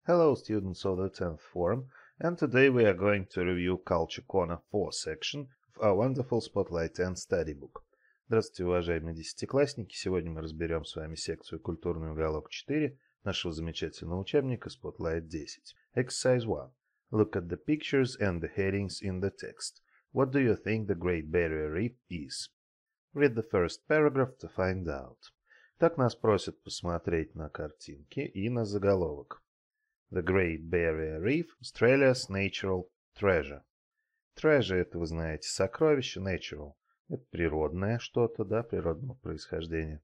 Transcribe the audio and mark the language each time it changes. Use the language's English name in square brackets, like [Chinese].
[English] Hello, students of the 10th form, and today we are going to review Culture Corner 4 section of our wonderful Spotlight and Study Book. [Russian] Здравствуйте, уважаемые десятиклассники! Сегодня мы разберем с вами секцию «Культурный уголок 4» нашего замечательного учебника Spotlight 10. [English] Exercise 1. Look at the pictures and the headings in the text. What do you think the Great Barrier Reef is? Read the first paragraph to find out. [Russian] Так нас просят посмотреть на картинки и на заголовок. [English] The Great Barrier Reef, Australia's natural treasure. [Russian] Treasure – это, вы знаете, сокровище, natural – это природное что-то, да, природного происхождения.